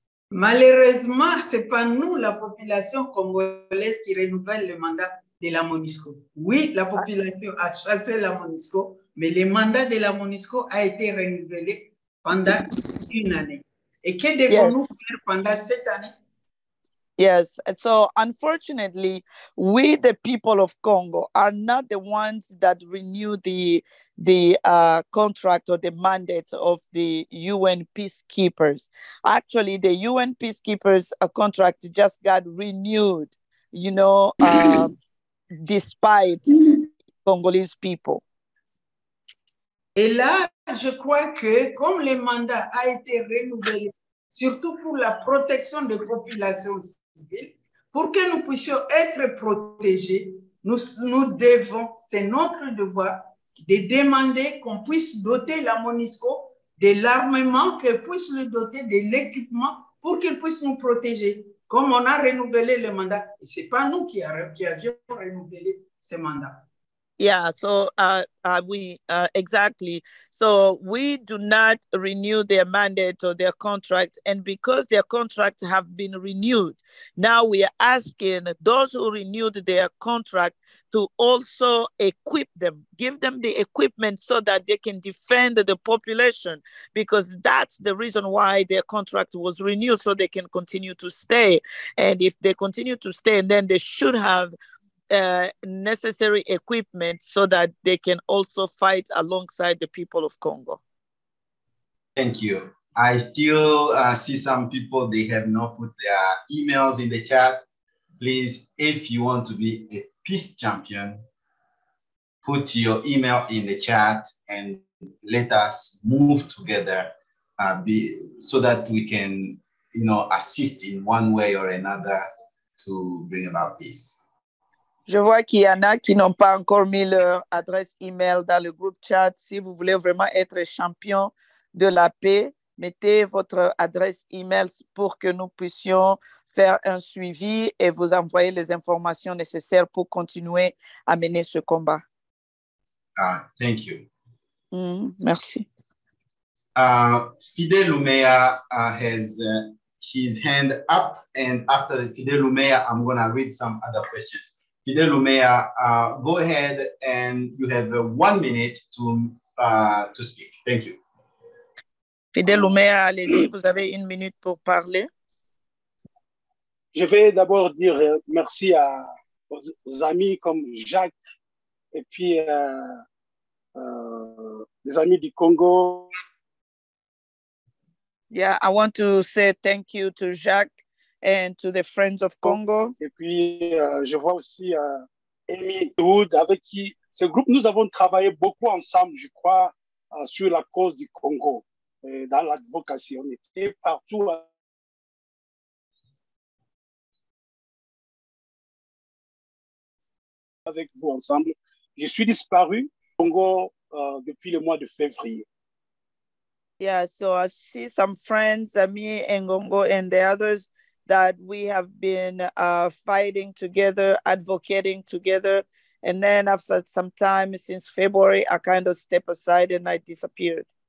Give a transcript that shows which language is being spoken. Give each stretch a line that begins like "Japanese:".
French: Malheureusement, ce n'est pas nous, la population congolaise, qui renouvelle le mandat de la MONUSCO. Oui, la population a chassé la MONUSCO, mais le mandat de la MONUSCO a été renouvelé pendant une année. Et que devons-nous faire pendant cette année?
English: Yes, so unfortunately, we the people of Congo are not the ones that renew the contract or the mandate of the UN peacekeepers. Actually, the UN peacekeepers contract just got renewed, you know, despite Congolese people.
French: Et là, je crois que comme le mandat a été renouvelé, surtout pour la protection des populations civiles, Pour que nous puissions être protégés, nous devons, c'est notre devoir, de demander qu'on puisse doter la MONUSCO de l'armement, qu'elle puisse le doter de l'équipement pour qu'elle puisse nous protéger. Comme on a renouvelé le mandat, ce n'est pas nous qui avions renouvelé ce mandat.
English: Yeah, so exactly. So we do not renew their mandate or their contract. And because their contracts have been renewed, now we are asking those who renewed their contract to also equip them, give them the equipment so that they can defend the population, because that's the reason why their contract was renewed, so they can continue to stay. And if they continue to stay, then they should have necessary equipment so that they can also fight alongside the people of Congo. Thank you. I still see some people, they have not put their emails in the chat. Please, if you want to be a peace champion, put your email in the chat and let us move together so that we can, you know, assist in one way or another to bring about peace.
French: Je vois qu'il y en a qui n'ont pas encore mis leur adresse email dans le groupe chat. Si vous voulez vraiment être champion de la paix, mettez votre adresse email pour que nous puissions faire un suivi et vous envoyer les informations nécessaires pour continuer à mener ce combat.
English: Ah, thank you.
French: Merci.
English: Fidel Umeya has his hand up, and after Fidel Umeya, I'm going to read some other questions. Fidel Umeya, go ahead, and you have 1 minute to speak. Thank you.
French: Fidel Umeya, allez-y, vous avez une minute pour parler. Je vais d'abord dire merci à aux amis comme Jacques et puis les amis du Congo.
English: Yeah, I want to say thank you to Jacques and to the friends of Congo.
French: Et puis, je vois aussi Amy Wood, avec qui ce groupe, nous avons travaillé beaucoup ensemble, je crois, sur la cause du Congo, et dans l'advocacy. On était partout. Avec vous ensemble. Je suis disparu au Congo depuis le mois de février.
English: Yeah, so I see some friends, Amy Ngongo and the others, that we have been fighting together, advocating together. And then after some time since February, I kind of stepped aside and I disappeared.